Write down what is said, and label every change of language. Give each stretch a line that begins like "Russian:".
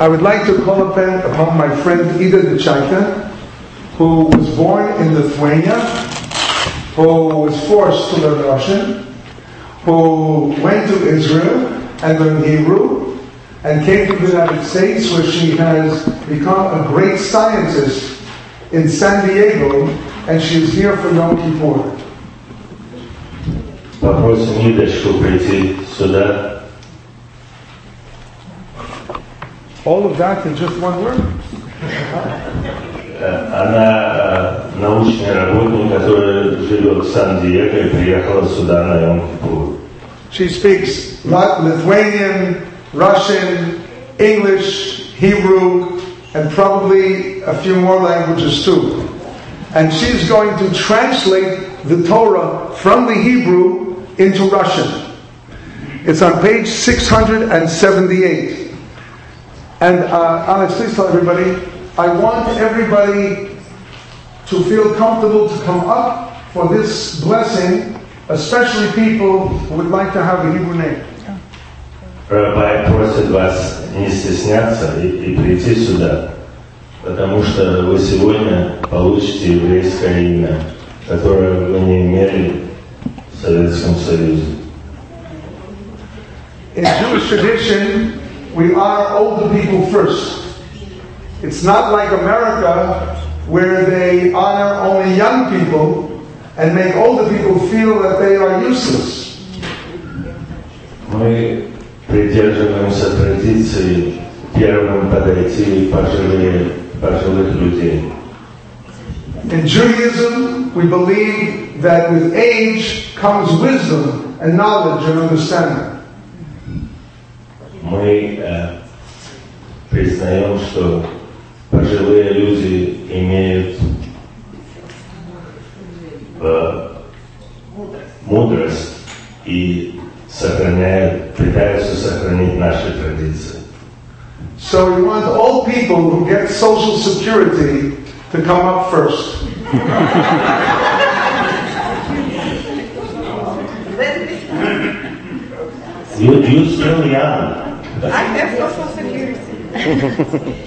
English: I would like to call upon my friend Ida Dechaika, who was born in Lithuania, who was forced to learn Russian, who went to Israel and learned Hebrew, and came to the United States, where she has become a great scientist in San Diego, and she is here for Yom Kippur.
Russian: Попросим Идочку прийти сюда.
English: All of that in just one word?
Russian: Она научный работник, который живет в Сан-Диего и приехала сюда на Йом Кипур.
English: She speaks Lithuanian, Russian, English, Hebrew, and probably a few more languages too. And she is going to translate the Torah from the Hebrew into Russian. It's on page 678. And Alex, please tell everybody, I want everybody to feel comfortable to come up for this blessing, especially people who would like to have a Hebrew name.
Russian: Rabbi просит вас не стесняться и прийти сюда. Потому что вы сегодня получите еврейское имя, которое вы не имели в Советском Союзе.
English: In Jewish tradition, we honor older people first. It's not like America, where they honor only young people and make older people feel that they are useless.
Russian: Мы придерживаемся традиции первым подойти пожилых людей.
English: In Judaism, we believe that with age comes wisdom and knowledge and understanding.
Russian: Мы признаем, что пожилые люди имеют мудрость и пытаются сохранить наши традиции.
English: So we want all people who get social security to come up first. You still young. I have social security.